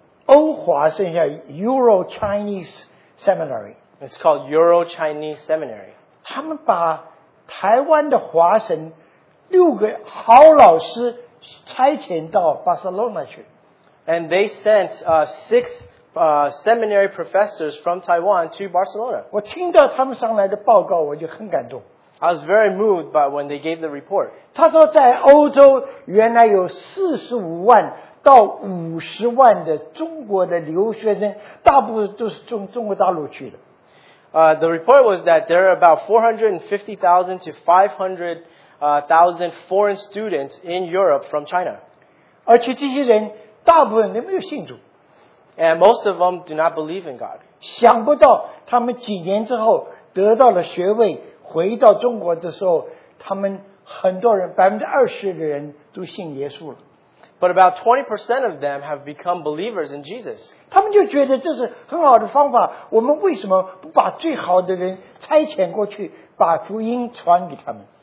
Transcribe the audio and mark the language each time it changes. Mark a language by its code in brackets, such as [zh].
[zh] 欧华剩下 Euro-Chinese Seminary. [en] It's called Euro-Chinese Seminary. [zh] 他们把台湾的华神六个好老师差遣到 Barcelona 去。 [en] And they sent six seminary professors from Taiwan to Barcelona. [zh] 我听到他们上来的报告我就很感动。 [en] I was very moved by when they gave the report. [zh] 他说在欧洲原来有45万到50万的中国的留学生，大部分都是从中国大陆去的。 [en] The report was that there are about 450,000 to 500,000 foreign students in Europe from China. [zh] 而且这些人大部分都没有信主。 [en] And most of them do not believe in God. [zh] 想不到他们几年之后得到了学位回到中国的时候，他们很多人 20% 的人都信耶稣了。 [en] But about 20% of them have become believers in Jesus. [zh] 他们就觉得这是很好的方法，我们为什么不把最好的人差遣过去，把福音传给他们？